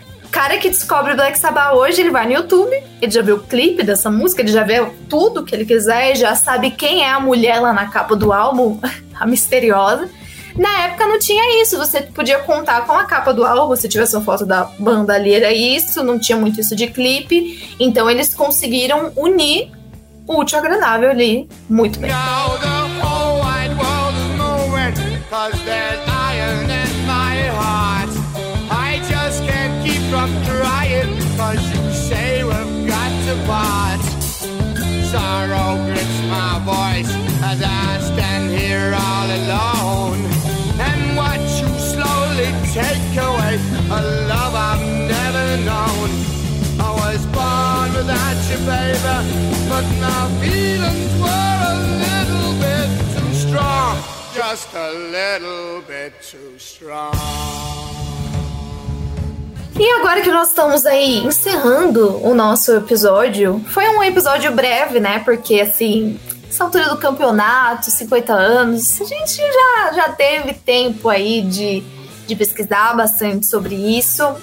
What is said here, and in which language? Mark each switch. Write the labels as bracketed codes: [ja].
[pt] cara que descobre o Black Sabbath hoje, ele vai no YouTube, ele já vê o clipe dessa música, ele já vê tudo que ele quiser, já sabe quem é a mulher lá na capa do álbum, a misteriosa. Na época não tinha isso, você podia contar com a capa do álbum, se tivesse uma foto da banda ali, era isso, não tinha muito isso de clipe. Então eles conseguiram unir o útil agradável ali muito bem. [en] Now the whole wide world is moving, 'cause there's iron in my heart. I just can't keep from trying, 'cause you say we've got to part. Sorrow grips my voice as I stand here all alone. And watch you slowly take away a love I've never known. I was born without you, baby, but my feelings were a little bit too strong. Just a little bit too strong. [pt] E agora que nós estamos aí encerrando o nosso episódio, foi um episódio breve, né? Porque, assim, essa altura do campeonato, 50 anos, a gente já teve tempo aí de pesquisar bastante sobre isso.